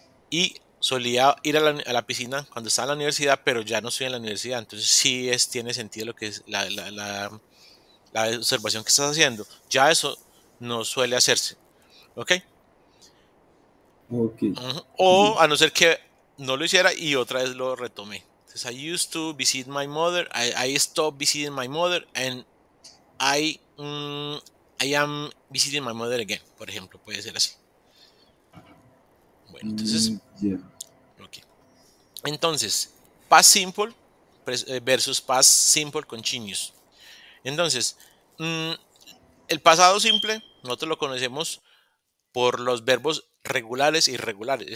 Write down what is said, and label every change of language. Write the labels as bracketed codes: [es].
[es] Y solía ir a la piscina cuando estaba en la universidad, pero ya no estoy en la universidad. Entonces sí tiene sentido lo que es la observación que estás haciendo. Ya eso no suele hacerse. ¿Ok? Okay. O a no ser que no lo hiciera y otra vez lo retomé. [en] Entonces, I used to visit my mother. I stopped visiting my mother and I am visiting my mother again. [es] Por ejemplo, puede ser así. Bueno, entonces, entonces, [en] past simple versus past simple continuous. [es] Entonces, el pasado simple nosotros lo conocemos por los verbos regulares e irregulares.